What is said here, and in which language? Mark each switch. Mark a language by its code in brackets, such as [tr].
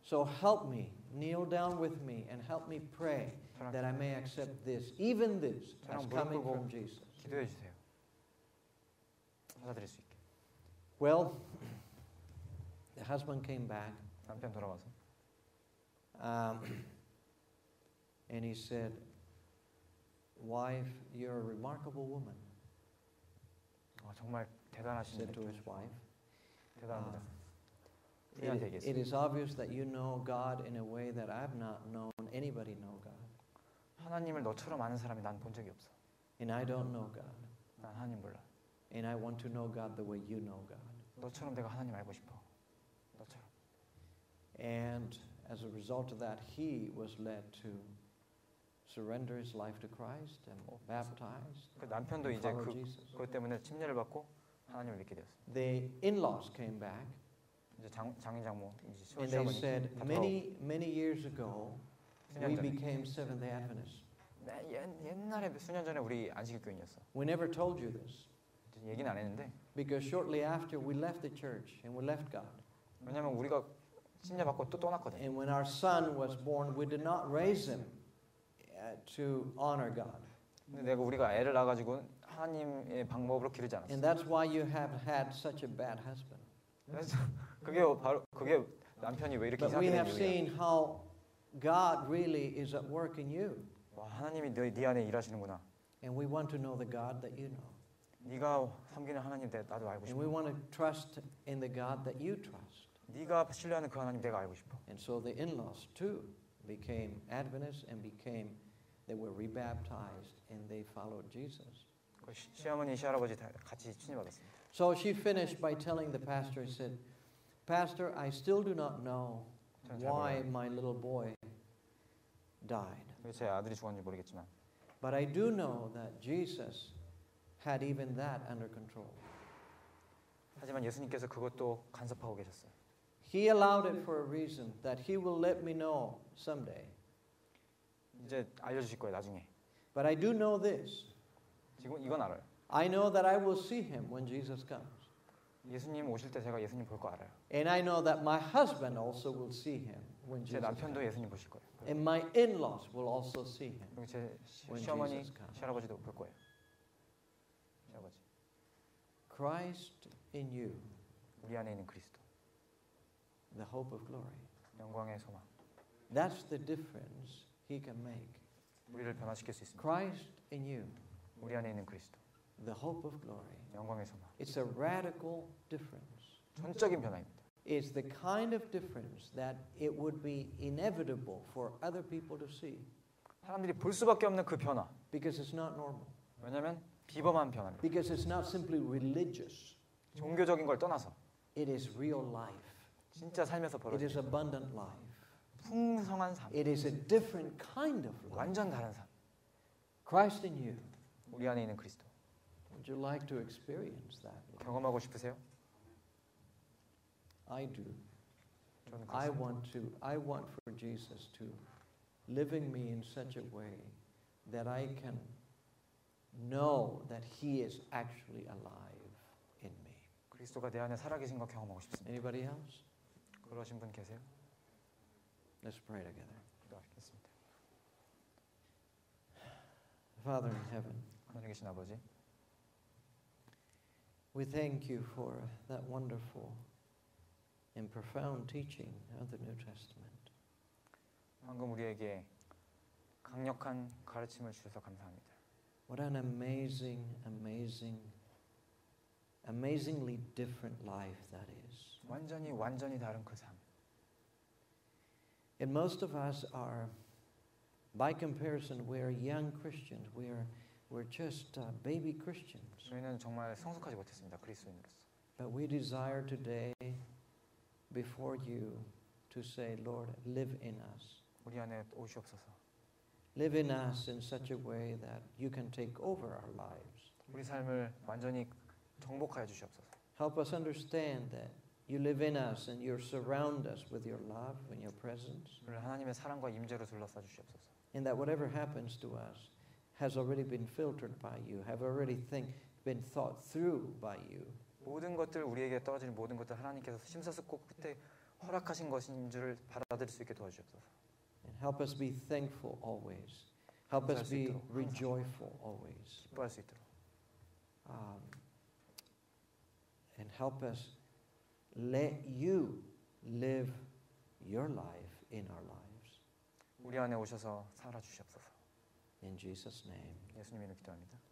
[en] So help me, kneel down with me, and help me pray that I may accept this, even this, as coming from Jesus. [ko] 기도해 주세요. 받아들일 수 있게. [en] Well, the husband came back. [ko] 남편 돌아와서. [en] And he said, "Wife, you're a remarkable woman." [ko] 아, 정말 대단하신 분이죠. [en] Said to his wife. [ko] 대단합니다. [en] It is obvious that you know God in a way that I have not known anybody know God. [ko] 하나님을 너처럼 아는 사람이 난 본 적이 없어. [en] And I don't know God. [ko] 난 하나님 몰라. [en] And I want to know God the way you know God. [ko] 너처럼 내가 하나님 알고 싶어. 너처럼. [en] And as a result of that, he was led to surrender his life to Christ and baptized. [ko] 그 남편도 이제 그것 때문에 침례를 받고 하나님을 믿게 되었어요. [en] The in-laws came back. [ko] 이제 장인 장모 이제 시어머니. [en] And they said, many years ago, we became Seventh-day Adventists. [ko] 옛날에 수년 전에 우리 안식일 교인이었어. [en] We never told you this. [ko] 얘기는 안 했는데. [en] Because shortly after we left the church and we left God. [ko] 왜냐면 우리가 침례 받고 또 떠났거든. [en] And when our son was born, we did not raise him to honor God. [ko] 내가 우리가 애를 낳아가지고 하나님의 방법으로 기르지 않았어. [en] And that's why you have had such a bad husband. [ko] 그게 바로 그게 남편이 왜 이렇게 이상한 이유야. [en] But we have seen how God really is at work in you. [ko] 와, 하나님이 네 안에 일하시는구나. [en] And we want to know the God that you know. [ko] 네가 섬기는 하나님 나도 알고 싶어. [en] And we want to trust in the God that you trust. [ko] 네가 신뢰하는 그 하나님 내가 알고 싶어. [en] And so the in-laws too became Adventists and became they were rebaptized and they followed Jesus. [ko] 그 시어머니 시할아버지 다 같이 침례받았습니다. [en] So she finished by telling the pastor. He said, "Pastor, I still do not know why my little boy died. [ko] 제 아들이 죽었는지 모르겠지만, [en] but I do know that Jesus had even that under control. [ko] 하지만 예수님께서 그것도 간섭하고 계셨어요. [en] He allowed it for a reason that he will let me know someday. [ko] 이제 알려주실 거예요, 나중에. [en] But I do know this. [ko] 지금 이건 알아요. [en] I know that I will see him when Jesus comes. [ko] 예수님 오실 때 제가 예수님 볼 거 알아요. [en] And I know that my husband also will see him when Jesus comes. [ko] 제 남편도 예수님 보실 거예요. [en] And my in-laws will also see him. [ko] 그리고 제 시어머니, 시할아버지도 볼 거예요. 시할아버지. [en] Christ in you. [ko] 우리 안에 있는 그리스도. [en] The hope of glory. [ko] 영광의 소망. [en] That's the difference he can make. [ko] 우리를 변화시킬 수 있습니다. [en] Christ in you. [ko] 우리 안에 있는 그리스도. [en] The hope of glory. [ko] 영광의 소망. [en] It's a radical difference. [ko] 전적인 변화입니다. [en] It's the kind of difference that it would be inevitable for other people to see. [ko] 사람들이 볼 수밖에 없는 그 변화. [en] Because it's not normal. [ko] 왜냐면 비범한 변화입니다. [en] Because it's not simply religious. [ko] 종교적인 걸 떠나서. [en] It is real life. [ko] 진짜 살면서 벌어지는. [en] It is abundant life. [ko] 풍성한 삶. [en] It is a different kind of life. [ko] 완전 다른 삶. [en] Christ in you. [ko] 우리 안에 있는 그리스도. [en] Would you like to experience that? [ko] 경험하고 싶으세요? [en] I do. I want for Jesus to live in me in such a way that I can know that He is actually alive in me. [ko] 그리스도가 내 안에 살아계신 거 경험하고 싶습니다. [en] Anybody else? [ko] 그러신 분 계세요? [en] Let's pray together. [ko] 기도하겠습니다. [en] Father in heaven. [ko] 하늘에 계신 아버지. [en] We thank you for that wonderful and profound teaching of the New Testament. [ko] 방금 우리에게 강력한 가르침을 주셔서 감사합니다. [en] What an amazing, amazing, amazingly different life that is. [ko] 완전히 완전히 다른 그 삶. [en] And most of us are, by comparison, we are young Christians. We're just baby Christians. [ko] 우리는 정말 성숙하지 못했습니다, 그리스도인으로서. [en] But we desire today, before you, to say, Lord, live in us. [ko] 우리 안에 오시옵소서. [en] Live in us in such a way that you can take over our lives. [ko] 우리 삶을 완전히 정복하여 주시옵소서. [en] Help us understand that you live in us and you surround us with your love and your presence. [ko] 우리 하나님의 사랑과 임재로 둘러싸 주시옵소서. [en] And that whatever happens to us has already been filtered by you, have already been thought through by you. [ko] 모든 것들 우리에게 떨어지는 모든 것들 하나님께서 심사숙고 끝에 허락하신 것인 줄 받아들일 수 있게 도와주옵소서. [en] And help us be thankful always. Help us be rejoiceful always. [ko] 기뻐할 수 있도록. [en] And help us let you live your life in our lives. [ko] 우리 안에 오셔서 살아주시옵소서. [en] In Jesus' name. [ko] 예수님으로 기도합니다.